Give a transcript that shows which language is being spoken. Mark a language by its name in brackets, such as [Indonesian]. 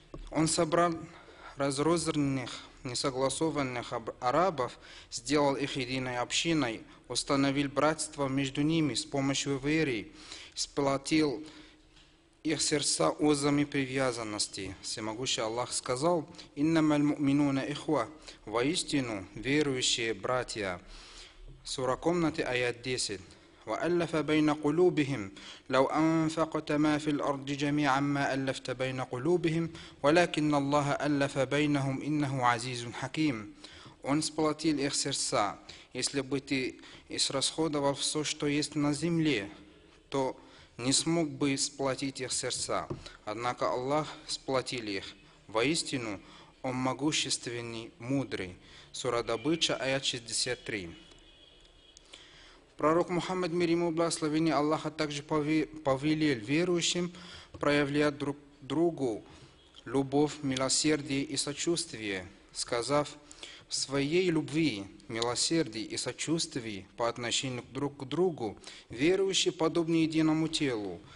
[Russian] Он собрал разрозненных, несогласованных арабов, сделал их единой общиной, установил братство между ними с помощью веры, сплотил их сердца узами привязанности. Всемогущий Аллах сказал: [Arabic] «Иннама аль-муминуна ихва», [Russian] «Воистину верующие братья». Сура комнаты, аят 10. [Arabic] وألف بين قلوبهم لو أنفقت ما في الأرض جميعا ما ألفت بين قلوبهم ولكن الله ألف بينهم إنه عزيز حكيم. [Russian] Он сплотил их сердца. Если бы ты израсходовал все, что есть на земле, то не смог бы сплотить их сердца. Однако Аллах сплотил их. Воистину, Он могущественный, мудрый. Сура Добыча, аят 63. Пророк Мухаммад, мир ему благословение Аллаха, также повелел верующим проявлять друг другу любовь, милосердие и сочувствие, сказав: «В своей любви, милосердии и сочувствии по отношению друг к другу верующие подобны единому телу.